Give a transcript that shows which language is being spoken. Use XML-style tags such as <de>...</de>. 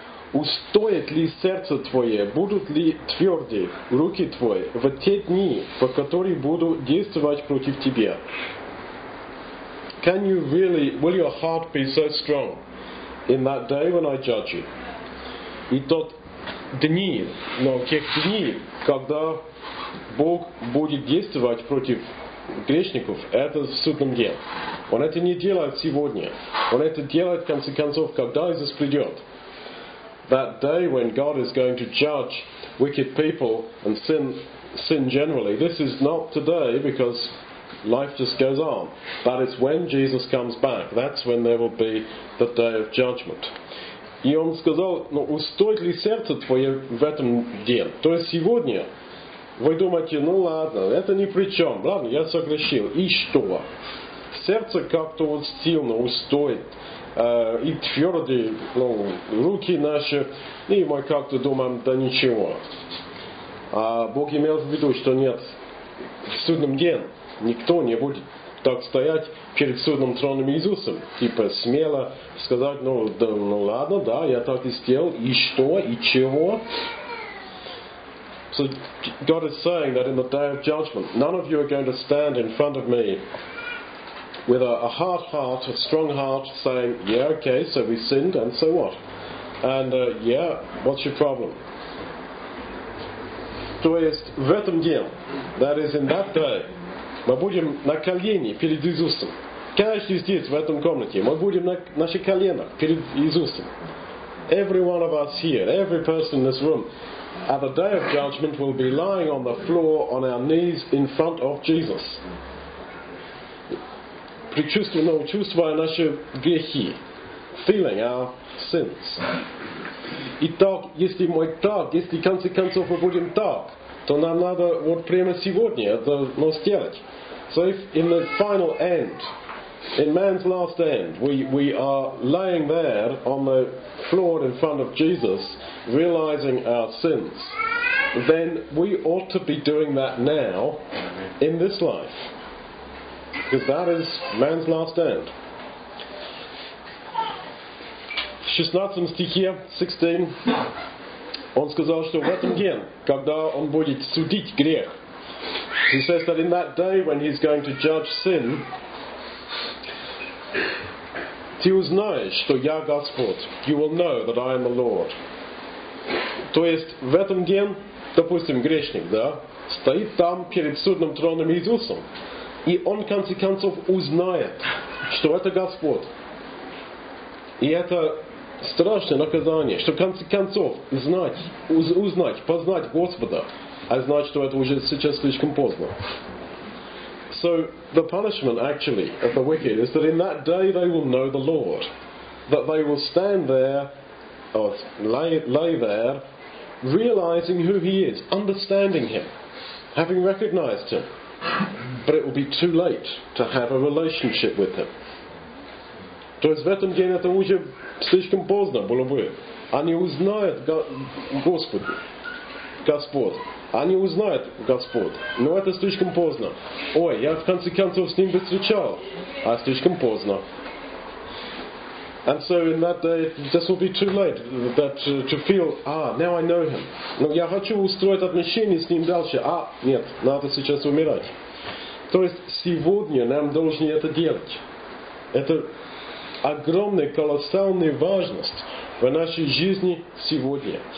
<ru>Устоит ли сердце твое, будут ли тверды руки твои в те дни, по которым буду действовать против тебя?</ru> <en>Can you really, will your heart be so strong in that day when I judge you?</en> <ru>И тот дни, но тех дней, когда Бог будет действовать против грешников, это в судном дне. Он это не делает сегодня. Он это делает, в конце концов, когда Иисус придет.</ru> <en>That day when God is going to judge wicked people and sin generally, this is not today because life just goes on. But it's when Jesus comes back. That's when there will be the day of judgment.</en> <ru>И он сказал, ну, устоит ли сердце твое в этом деле? То есть сегодня вы думаете, ну ладно, это ни при чем, ладно, я согрешил. И что? Сердце как-то вот сильно устоит, и твердые, ну, руки наши, и мы как-то думаем, да ничего. А Бог имел в виду, что нет, в судном день никто не будет так стоять перед судным троном Иисусом, типа смело сказать, ну, да, ну ладно, да, я так и сделал, и что, и чего?</ru> <en>So God is saying that in the day of judgment, none of you are going to stand in front of me with a hard heart, a strong heart, saying, yeah, okay, so we sinned, and so what? And yeah, what's your problem?</en> <ru>То есть в этом деле,</ru> <en>that is in that day,</en> <ru>мы будем на колени перед Иисусом. Каждый здесь, в этом комнате, мы будем на наших коленах перед Иисусом.</ru> <en>Every one of us here, every person in this room, at the day of judgment will be lying on the floor on our knees in front of Jesus.</en> <ru>Чувствуя наши грехи,</ru> <en>feeling our sins.</en> <ru>Итак, если мы так, если в конце концов мы будем так, то нам надо вот прямо сегодня это но сделать.</ru> <en>So if in the final end, in man's last end, we are laying there on the floor in front of Jesus, realizing our sins, then we ought to be doing that now in this life. Because that is man's last end.</en> <ru>16 стихе, 16, он сказал, что в этом день, когда он будет судить грех,</ru> <en>he says that in that day when he's going to judge sin,</en> <ru>ты узнаешь, что я Господь.</ru> <en>You will know that I am the Lord.</en> <ru>То есть в этом день, допустим, грешник, да, стоит там перед судным троном Иисусом, и он в конце концов узнает, что это Господь. И это страшное наказание, что в конце концов узнать, познать Господа, а знать, что это уже сейчас слишком поздно.</ru> <en>So the punishment actually of the wicked is that in that day they will know the Lord, that they will stand there, or lay there, realizing who he is, understanding him, having recognized him. But it will be too late to have a relationship with him.</en> <ru>То есть в этом день это уже слишком поздно было бы. Они узнают Господь. Они узнают Господь. Но это слишком поздно. Ой, я в конце концов с ним бы встречал. А слишком поздно.</ru> <en>And so in that day, this will be too late that to feel, ah, now I know him.</en> <ru>Но я хочу устроить отношения с ним дальше. А, нет, надо сейчас умирать. То есть сегодня нам должны это делать. Это огромная, колоссальная важность в нашей жизни сегодня.</ru>